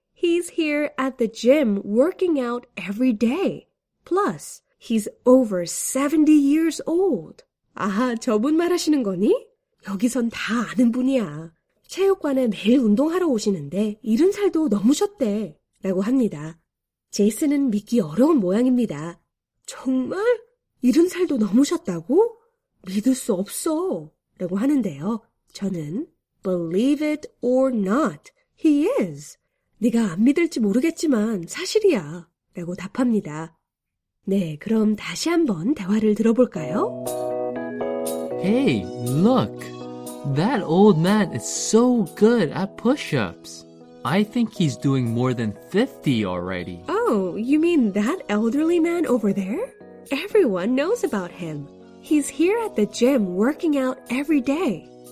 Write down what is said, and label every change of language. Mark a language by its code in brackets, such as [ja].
[en] He's here at the gym working out every day. Plus, he's over 70 years old. [ko] 아하, 저분 말하시는 거니? 여기선 다 아는 분이야. 체육관에 매일 운동하러 오시는데 70살도 넘으셨대. 라고 합니다. 제이슨은 믿기 어려운 모양입니다. 정말? 70살도 넘으셨다고? 믿을 수 없어. 라고 하는데요. 저는 [en] Believe it or not, he is. [ko] 네가 안 믿을지 모르겠지만 사실이야. 라고 답합니다. 네, 그럼 다시 한번 대화를 들어볼까요? [en] Hey, look. That old man is so good at push-ups. I think he's doing more than 50 already. Oh, you mean that elderly man over there? Everyone knows about him. He's here at the gym working out every day.